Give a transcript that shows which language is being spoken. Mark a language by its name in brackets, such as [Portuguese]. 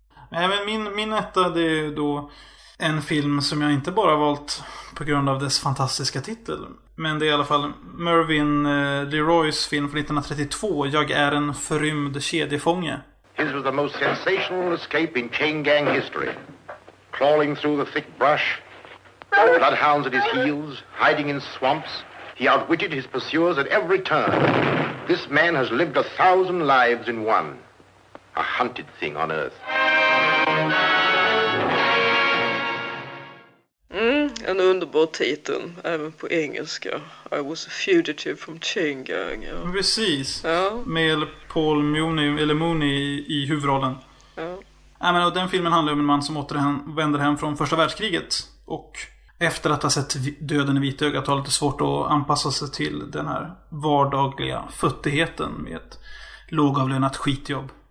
[Swedish] Även min etta, det är ju då en film som jag inte bara valt på grund av dess fantastiska titel. Men det är i alla fall Mervyn LeRoys film från 1932, Jag är en förrymd kedjefånge. [English] His was the most sensational escape in chain gang history. Crawling through the thick brush, bloodhounds at his heels, hiding in swamps. He outwitted his pursuers at every turn. This man has lived a thousand lives in one. A hunted thing on earth. [Swedish] En underbar titel, även på engelska. [English] I was a fugitive from chain gang. [Swedish] Ja. Precis, ja. Med Paul Mooney i huvudrollen. Ja. Ja, men, och den filmen handlar om en man som återvänder hem från första världskriget. Och efter att ha sett döden i vita ögat har det lite svårt att anpassa sig till den här vardagliga futtigheten med ett lågavlönat skitjobb.